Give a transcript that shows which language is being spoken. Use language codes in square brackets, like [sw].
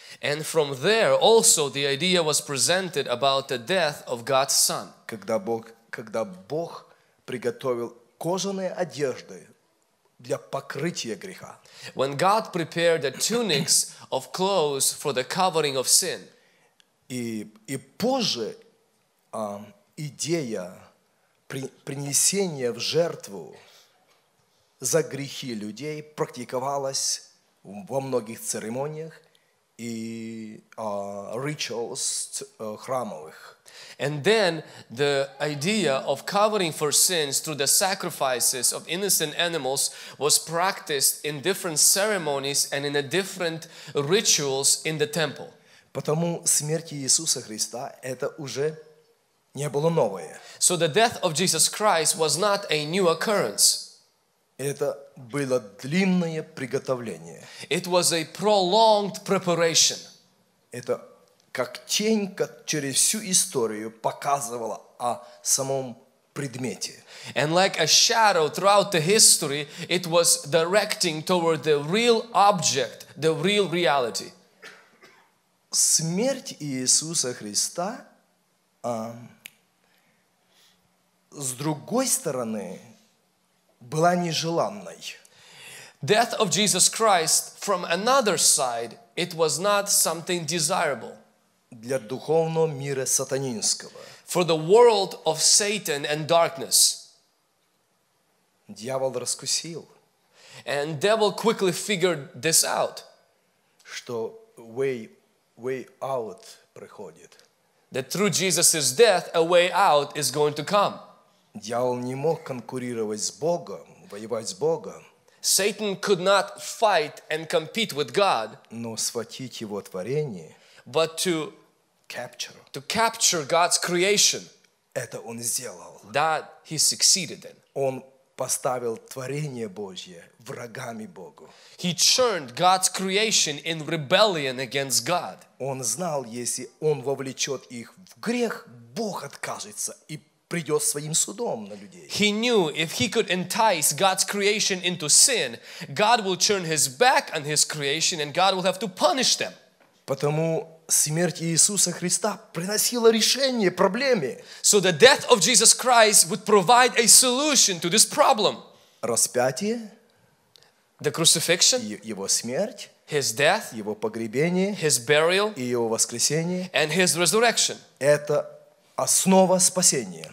[en] And from there also the idea was presented about the death of God's Son. [ru] Когда Бог приготовил кожаные одежды для покрытия греха. [en] When God prepared the tunics of clothes for the covering of sin. [ru] И позже идея принесения в жертву за грехи людей практиковалась во многих церемониях и rituals храмовых. [en] And then the idea of covering for sins through the sacrifices of innocent animals was practiced in different ceremonies and in a different rituals in the temple. [ru] Потому смерть Иисуса Христа это уже не было новое. [en] So the death of Jesus Christ was not a new occurrence. [ru] Это было длинное приготовление. [en] It was a prolonged preparation. [ru] Это как тень, как через всю историю показывала о самом предмете. [en] And like a shadow throughout the history, it was directing toward the real object, the real reality. [ru] Смерть Иисуса Христа, с другой стороны, была нежеланной. [en] Death of Jesus Christ, from another side, it was not something desirable. [ru] Для духовного мира сатанинского. [en] For the world of Satan and darkness. [ru] Дьявол раскусил. [en] And devil quickly figured this out. [ru] Что [en] way out [ru] приходит. [en] That through Jesus' death, a way out is going to come. [ru] Дьявол не мог конкурировать с Богом. Воевать с Богом. [en] Satan could not fight and compete with God. [ru] Но схватить его творение. [en] But to capture God's creation. [ru] Это он сделал. [en] That he succeeded in. [ru] Он поставил творение Божье врагами Богу. [en] He turned God's creation in rebellion against God. [ru] Он знал, если он вовлечет их в грех, Бог откажется и придет своим судом на людей. [en] He knew if he could entice God's creation into sin, God will turn his back on his creation and God will have to punish them. [ru] Потому смерть Иисуса Христа приносила решение проблеме. [en] So the death of Jesus Christ would provide a solution to this problem. [ru] Распятие. [en] The crucifixion. [ru] Его смерть. [en] His death. [ru] Его погребение. [en] His burial. [ru] И его воскресение. [en] And his resurrection. [ru] Это основа спасения.